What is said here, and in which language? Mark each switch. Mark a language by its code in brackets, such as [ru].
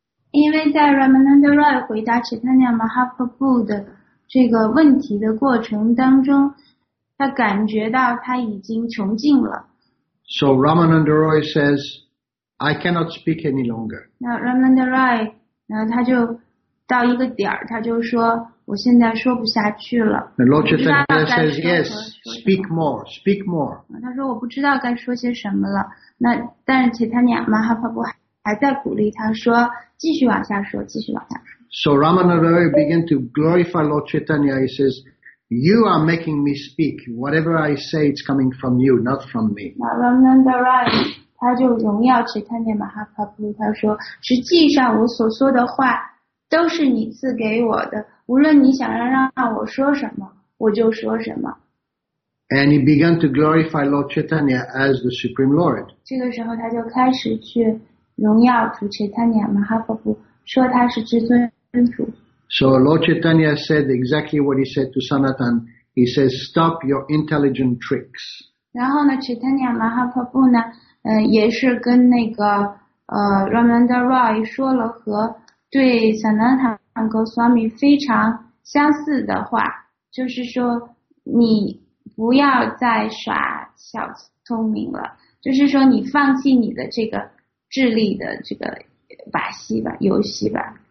[zh] 因为在 Ramananda Roy 回答 Chaitanya Mahaprabhu 的这个问题的过程当中，他感觉到他已经穷尽了。 [en] So Ramananda Roy says,I cannot speak any longer. [zh] 那 Ramananda Roy, 然后他就到一个点儿，他就说，我现在说不下去了。 [en] And Lord Chaitanya says, yes, speak more, speak more. [zh] 他说我不知道该说些什么了。那但是 Chaitanya Mahaprabhu 还在鼓励他说，继续往下说，继续往下说。 [en] So Ramananda Roy began to glorify Lord Chaitanya. He says,You are making me speak. Whatever I say, it's coming from you, not from me. [zh] 那 Ramananda Roy. 他就荣耀切坦尼亚马哈帕布鲁，他说：“实际上我所说的话都是你赐给我的，无论你想要让我说什么，我就说什么。” [en] And he began to glorify Lord Chaitanya as the Supreme Lord. [zh] 这个时候，他就开始去荣耀主切坦尼亚马哈帕布，说他是至尊主。 [en] So Lord Chaitanya said exactly what he said to Sanatan. He says, "Stop your intelligent tricks." [zh] 然后呢，切坦尼亚马哈帕布呢？也是跟那个Ramananda Roy 说了和对 Sanatan Goswami 非常相似的话，就是说你不要再耍小聪明了，就是说你放弃你的这个智力的这个把戏吧，游戏吧。